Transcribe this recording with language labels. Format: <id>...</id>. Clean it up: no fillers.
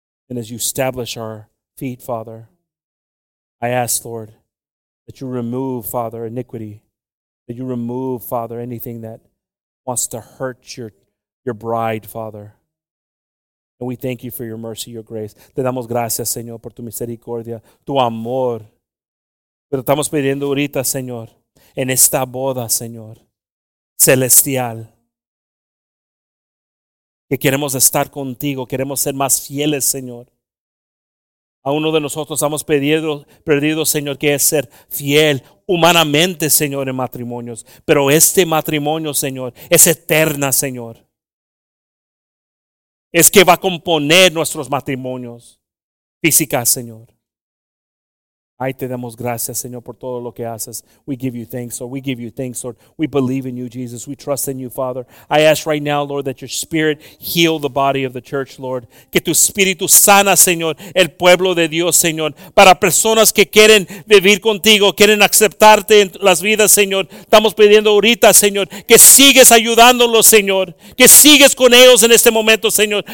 <en>And as you establish our feet, Father, I ask, Lord, that you remove, Father, iniquity. That you remove, Father, anything that wants to hurt your bride, Father. And we thank you for your mercy, your grace.</en> <es>Te damos gracias, Señor, por tu misericordia, tu amor. Pero estamos pidiendo ahorita, Señor, en esta boda, Señor, celestial. Que queremos estar contigo, queremos ser más fieles, Señor. A uno de nosotros hemos perdido, Señor, que es ser fiel humanamente, Señor, en matrimonios. Pero este matrimonio, Señor, es eterna, Señor. Es que va a componer nuestros matrimonios físicas, Señor. Ay, te damos gracias, Señor, por todo lo que haces.</es> <en>We give you thanks, Lord. We give you thanks, Lord. We believe in you, Jesus. We trust in you, Father. I ask right now, Lord, that your spirit heal the body of the church, Lord.</en> <es>Que tu espíritu sana, Señor, el pueblo de Dios, Señor. Para personas que quieren vivir contigo, quieren aceptarte en las vidas, Señor. Estamos pidiendo ahorita, Señor, que sigues ayudándolos, Señor. Que sigues con ellos en este momento, Señor.</es>